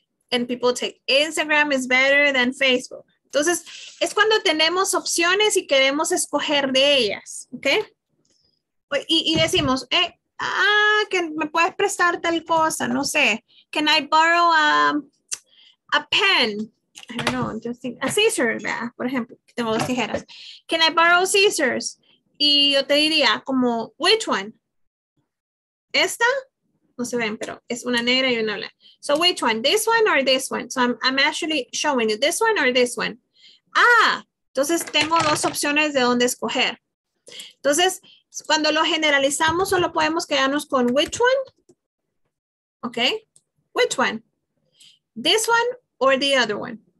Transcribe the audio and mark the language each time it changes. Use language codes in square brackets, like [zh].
[en] And people take Instagram is better than Facebook. [es] Entonces, es cuando tenemos opciones y queremos escoger de ellas, ¿ok? Y decimos, que me puedes prestar tal cosa, no sé. [en] Can I borrow a pen? I don't know, a scissor, ¿verdad? [es] Por ejemplo, tengo dos tijeras. [en] Can I borrow scissors? [es] Y yo te diría, como, [en] which one? [es] ¿Esta? No se ven, pero es una negra y una blanca. [en] So, which one? This one or this one? So, I'm actually showing you this one or this one. [es] Ah, entonces tengo dos opciones de dónde escoger. Entonces, cuando lo generalizamos, solo podemos quedarnos con which one. ¿Ok? [en] Which one? This one or the other one?